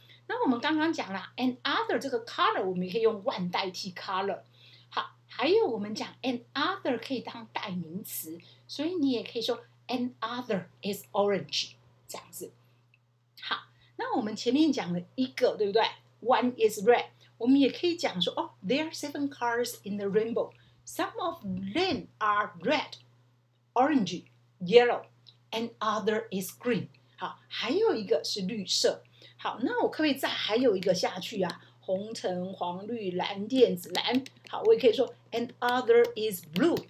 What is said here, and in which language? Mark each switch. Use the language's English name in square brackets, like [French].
[Chinese] 那我们刚刚讲了 another 这个 color， 我们可以用 one 代替 color。好，还有我们讲 another 可以当代名词，所以你也可以说 [English] another is orange [Chinese] 这样子。好，那我们前面讲了一个，对不对？ [English] One is red， [Chinese] 我们也可以讲说、 [English] oh, There are seven colors in the rainbow. Some of them are red, orange, yellow, and other is green. [Chinese] 好，还有一个是绿色。好，那我可不可以再还有一个下去啊？红橙黄绿蓝靛紫蓝。好，我也可以说 [English] And other is blue.